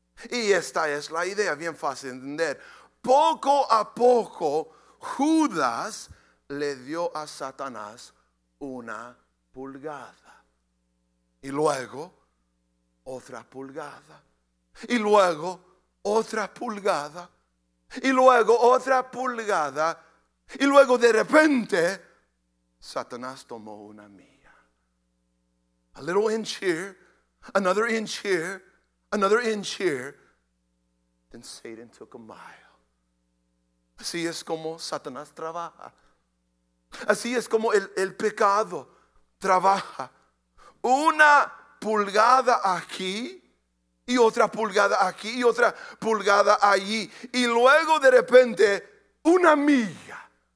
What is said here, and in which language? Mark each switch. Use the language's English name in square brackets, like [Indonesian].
[Spanish] Y esta es la idea, bien fácil de entender. Poco a poco, Judas le dio a Satanás una pulgada. Y luego otra pulgada, y luego otra pulgada, y luego otra pulgada, y luego de repente Satanás tomó una milla. [English] A little inch here, another inch here, another inch here, then Satan took a mile. [Spanish] Así es como Satanás trabaja, así es como el pecado trabaja. Una pulgada aquí y otra pulgada aquí y otra pulgada allí, y luego de repente una milla.